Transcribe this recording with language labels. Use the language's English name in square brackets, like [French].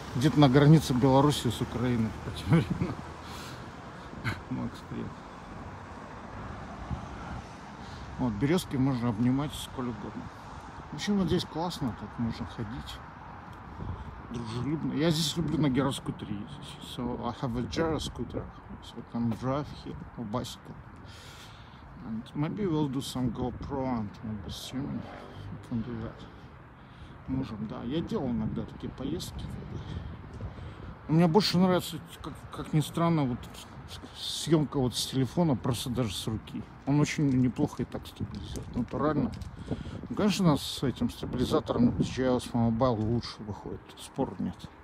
[Russian] Где-то на границе Беларуси с Украиной по тем временам. Макс, привет. Вот, березки можно обнимать сколько угодно. В общем, вот здесь классно, тут можно ходить. Дружелюбно. Я здесь люблю на гироскутере ездить. [English] So I have a gyroscooter. So I can drive here on bicycle. And maybe we'll do some GoPro and maybe streaming. We can do that. [Russian] Можем, да. Я делал иногда такие поездки. Мне больше нравится, как ни странно, вот съемка вот с телефона, просто даже с руки. Он очень неплохо и так стабилизирует. Натурально. Ну, конечно, с этим стабилизатором GIOS Mobile лучше выходит. Спор нет.